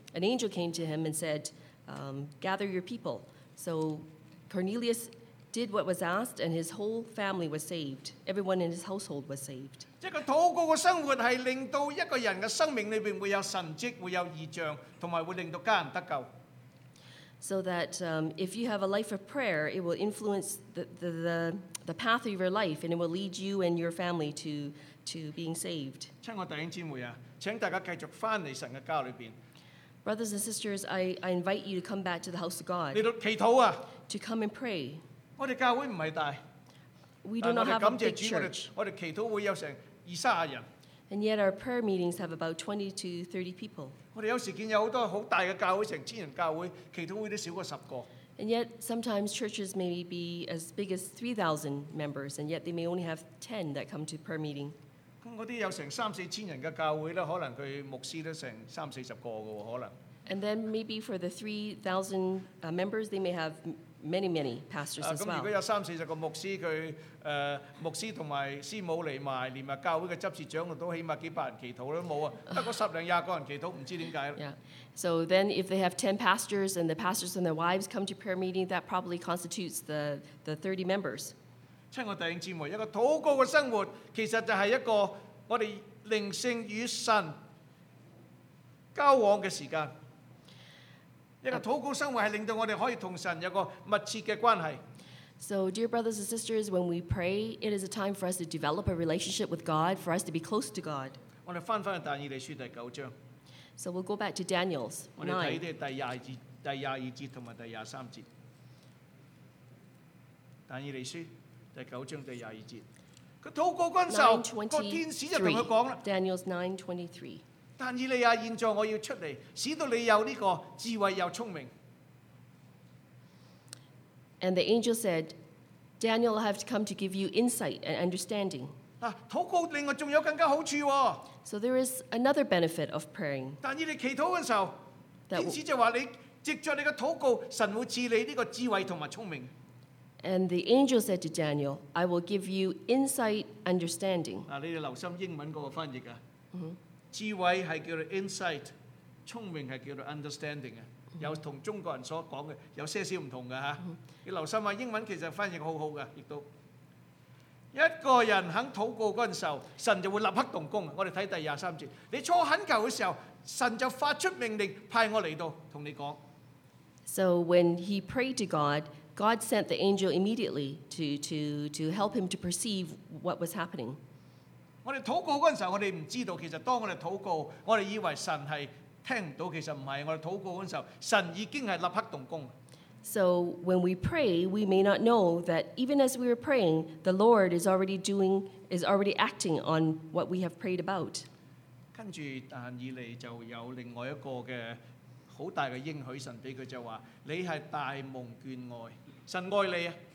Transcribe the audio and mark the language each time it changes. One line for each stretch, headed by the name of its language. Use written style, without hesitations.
English: An angel came to him and said, "Gather your people." So Cornelius did what was asked, and his whole family was saved. Everyone in his household was saved.
Chinese: 即係個禱告嘅生活係令到一個人嘅生命裏邊會有神蹟，會有異象，同埋會令到家人得救。
English: So that if you have a life of prayer, it will influence the path of your life, and it will lead you and your family to being saved.
Chinese: 亲爱弟兄姊妹啊，请大家继续翻嚟神嘅家里边。
English: Brothers and sisters, I invite you to come back to the house of God.
Chinese: 嚟到祈祷啊。
English: To come and pray.
Chinese: 我哋教会唔系大。
English: We do not have a big church.
Chinese: 我哋祈祷会有成二三十人。
English: And yet our prayer meetings have about 20 to 30 people.
Chinese: 我們有時見有很多很大的教會，成千人教會，祈禱會都少過十個。
English: And yet sometimes churches may be as big as 3,000 members, and yet they may only have 10 that come to prayer meeting.
Chinese: 那些有成三四千人的教會，可能他牧師都成三四十個，可能。
English: And then maybe for the 3,000 members, they may have many, many pastors as well.
Chinese: 如果有三四十個牧師，他牧師同埋師母嚟埋，連埋教會嘅執事長都起碼幾百人祈禱啦，冇啊，得個十零廿個人祈禱，唔知點解。
English: Yeah. So then, if they have 10 pastors and the pastors and their wives come to prayer meeting, that probably constitutes the 30 members.
Chinese: 親愛弟兄姊妹，一個禱告嘅生活其實就係一個我哋靈性與神交往嘅時間。一个祷告生活系令到我哋可以同神有个密切嘅关系。
English: So, dear brothers and sisters, when we pray, it is a time for us to develop a relationship with God, for us to be close to God.
Chinese: 我哋翻去但以理书第九章。
English: So we'll go back to Daniel's 9.
Chinese: 我哋睇啲第廿二节同埋第廿三节。但以理书第九章第廿二节，佢祷告嗰阵时候，个天使就同佢讲啦。
English: Daniel's 9:23。
Chinese: 但以利亞，現在我要出嚟，使到你有呢個智慧又聰明。
English: And the angel said, Daniel, I have come to give you insight and understanding.
Chinese: 嗱，禱告另外仲有更加好處喎。
English: So there is another benefit of praying.
Chinese: 但以利祈禱嘅時候，天使就話你藉著你嘅禱告，神會賜你呢個智慧同埋聰明。
English: And the angel said to Daniel, I will give you insight, understanding.
Chinese: 嗱，你哋留心英文嗰個翻譯啊。智慧係叫做 insight， 聰明係叫做 understanding 啊，有同中國人所講嘅有些少唔同嘅嚇。你留心啊，英文其實翻譯好好嘅，亦都一個人肯禱告嗰陣時候，神就會立刻動工。我哋睇第廿三節，你初懇求嘅時候，神就發出命令派我嚟到同你講。
English: So when he prayed to God, God sent the angel immediately to help him to perceive what was happening.
Chinese: 我哋祷告嗰阵时候，我哋唔知道，其实当我哋祷告，我哋以为神系听唔到，其实唔系。我哋祷告嗰阵时候，神已经系立刻动工。
English: So when we pray, we may not know that even as we are praying, the Lord is already acting on what we have prayed about.
Chinese: 跟住但以利就有另外一个嘅好大嘅应许，神俾佢就话：你系大蒙眷爱，神爱你啊！